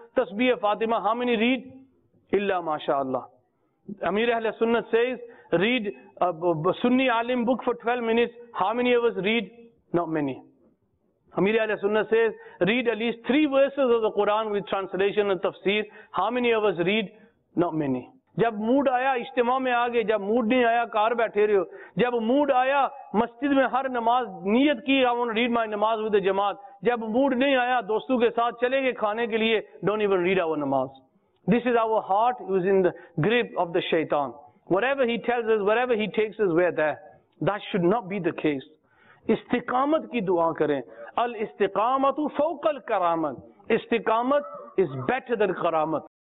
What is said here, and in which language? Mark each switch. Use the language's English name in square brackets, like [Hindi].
[English] Tasbih of Fatima, how many read? Illa mashallah. Amir Ahl Sunnah says, read a Sunni alim book for 12 minutes. How many of us read? Not many. Amir Ahl Sunnah says, read at least 3 verses of the Quran with translation and tafsir. How many of us read? Not many. [Urdu] جب mood آیا اجتماع میں آگے، جب mood نہیں آیا کار بیٹھے رہے ہو، جب موڈ آیا مسجد میں ہر نماز نیت کی [English] I want to read my [Urdu] نماز with the جماعت، جب موڈ نہیں آیا دوستوں کے ساتھ چلے گے کھانے کے لیے [English] don't even read our [Urdu] نماز. [English] This is our heart who is in the grip of the شیطان. Whatever he tells us, whatever he takes us, we're there. That should not be the case. [Urdu] استقامت کی دعا کریں. الاستقامت فوق الکرامت. استقامت [English] is better than [Urdu] کرامت.